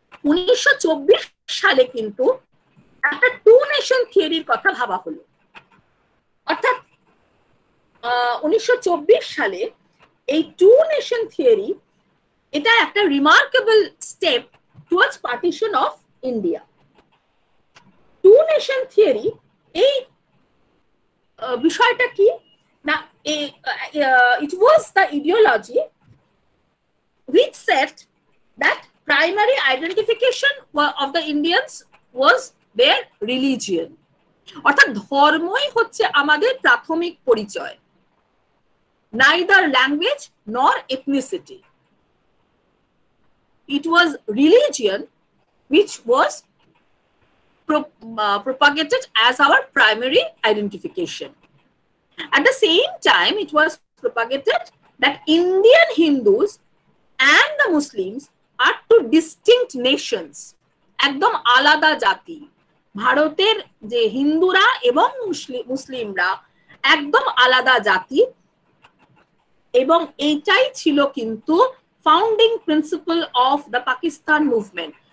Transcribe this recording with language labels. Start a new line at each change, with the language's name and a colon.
Bangla: ১৯২৪ সালে কিন্তু একটা টু নেশন থিওরির কথা ভাবা হলো, অর্থাৎ ১৯২৪ সালে এই টু নেশন থিওরি, এটা একটা
English: Remarkable step towards partition of India.
Bangla: Two nation theory এই বিষয়টা কি না,
English: it was the ideology which set that primary identification of the Indians was their religion,
Bangla: অর্থাৎ ধর্মই হচ্ছে আমাদের প্রাথমিক পরিচয়,
English: neither language nor ethnicity, it was religion which was propagated as our primary identification. At the same time it was propagated that Indian Hindus and the Muslims আর two distinct nations,
Bangla: একদম আলাদা জাতি, ভারতের যে হিন্দুরা এবং মুসলিমরা একদম আলাদা জাতি, এবং এইটাই ছিল কিন্তু
English: Founding principle of the Pakistan movement.